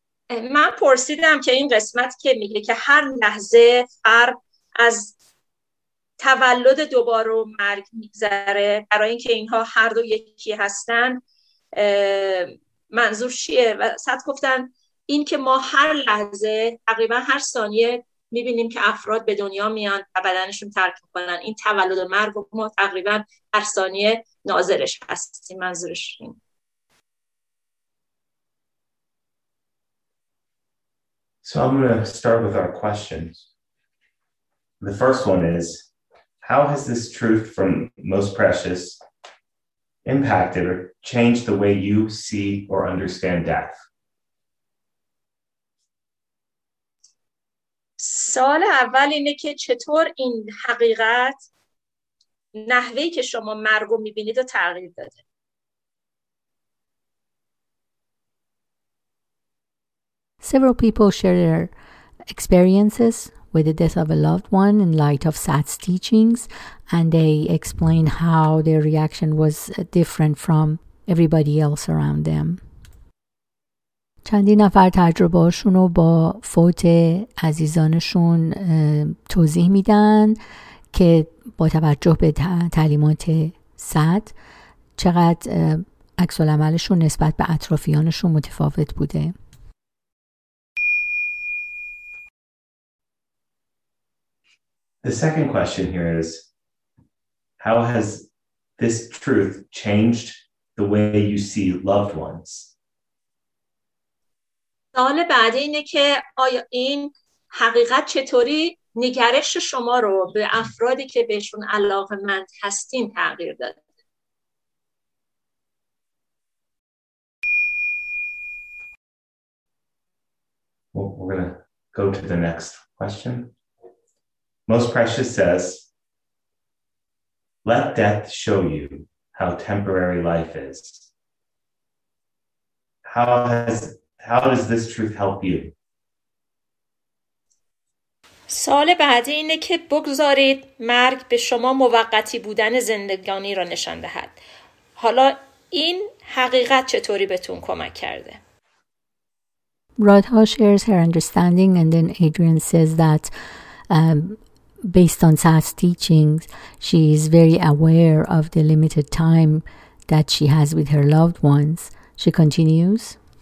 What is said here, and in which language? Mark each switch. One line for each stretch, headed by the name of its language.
Persian: من پرسیدم که این قسمت که میگه که هر لحظه فرد از تولد دوباره و مرگ میگذره، برای اینکه اینها هر دو یکی هستن، منظور چیه؟ و صد گفتن این که ما هر لحظه تقریبا هر ثانیه میبینیم که افراد به دنیا میان و بدنشون ترک میکنن، این تولد و مرگ و ما تقریبا هر ثانیه ناظرش هستیم، منظورش این.
English: So I'm going to start with our questions. The first one is, how has this truth from Most Precious impacted or changed the way you see or understand death?
Persian: سوال اول اینه که چطور این حقیقت نحوهی که شما مرگ رو میبینید و تغییر داده؟
English: Several people share their experiences with the death of a loved one in light of Sat's teachings, and they explain how their reaction was different from everybody else around them.
Persian: چندی نفر تجربهاشون رو با فوت عزیزانشون توضیح میدن که با توجه به تعلیمات سات چقدر عکس العملشون نسبت به اطرافیانشون متفاوت بوده.
English: The second question here is, how has this truth changed the way you see loved ones?
Persian: سوال بعدی اینه که آیا این حقیقت چطوری نگرش شما رو به افرادی که بهشون علاقمند هستین تغییر داده؟
English: We're going to go to the next question. Most Precious says, let death show you how temporary life is. How does this truth help you?
Persian: سوال بعدی اینه که بگذارید مرگ به شما موقتی بودن زندگانی را نشان دهد. حالا این حقیقت چطوری بهتون کمک کرده؟
English: Radha shares her understanding, and then Adrian says that based on Sat's teachings, she is very aware of the limited time that she has with her loved ones. She continues.